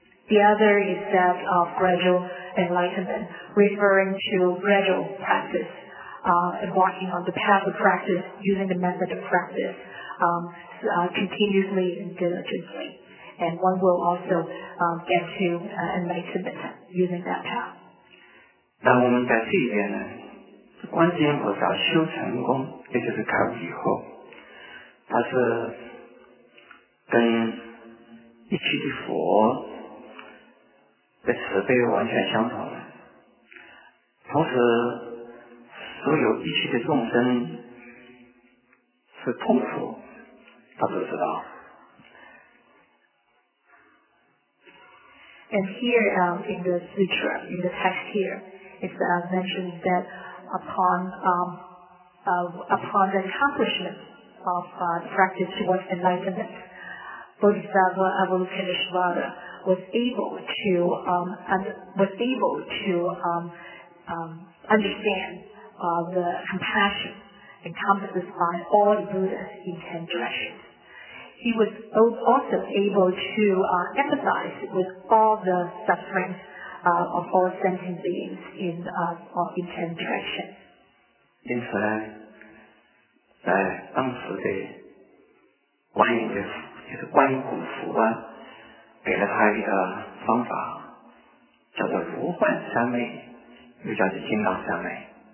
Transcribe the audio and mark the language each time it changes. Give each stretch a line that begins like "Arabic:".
English: The other is that of gradual enlightenment, referring to gradual practice, embarking on the path of practice, using the method of practice continuously and diligently. And one will also get to enlightenment using that path.
Chinese: 那我们在这边呢，观世音菩萨修成功，也就是开悟以后，他是跟一切的佛的慈悲完全相同的，同时所有一切的众生是痛苦，他都知道。
English: And here in the sutra, in the text here, it's mentioned that upon the accomplishment of practice towards enlightenment, Bodhisattva Avalokiteshvara was able to understand the compassion encompassed by all the Buddha's intentions. He was also able to empathize with all the suffering of all sentient beings in 10 directions.
Chinese: 因此呢，在当时的观音的就是观音古佛啊，给了他一个方法，叫做如幻三昧，又叫做金刚三昧。